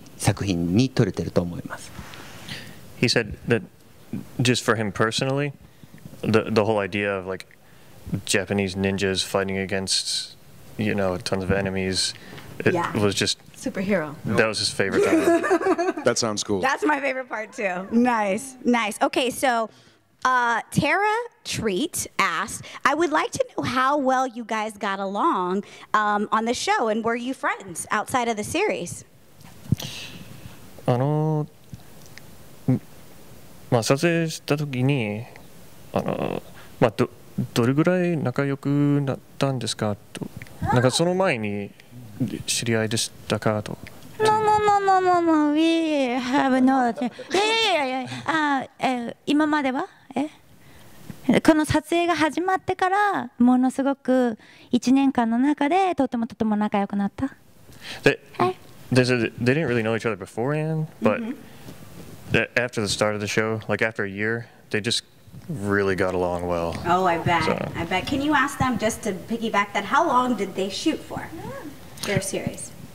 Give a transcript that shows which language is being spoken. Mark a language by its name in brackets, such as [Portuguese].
[Japanese] 自分の話の中では忍者、ジャパニーズ忍者の格好をして、いっぱい倒す敵と戦うっていう忍者の話は自分の中ではすごくいい作品に撮れてると思います。 [English] He said that just for him personally, the whole idea of like Japanese ninjas fighting against, you know, tons of enemies. It was just superhero. That was his favorite part. That sounds cool. That's my favorite part too. Nice. Okay, so Tara Treat asked, I would like to know how well you guys got along on the show, and were you friends outside of the series? [Japanese] まあ、撮影した時にあの、まあ、どれぐらい仲良くなったんですかと、なんかその前に知り合いでしたかと。 [English] No, we have no. Yeah. [Japanese] 今までは？この撮影が始まってからものすごく1年間の中でとてもとても仲良くなった。 [English] They didn't really know each other beforehand, but after the start of the show, like after a year, they just really got along well. Oh, I bet. So. I bet. Can you ask them just to piggyback that? How long did they shoot for their series?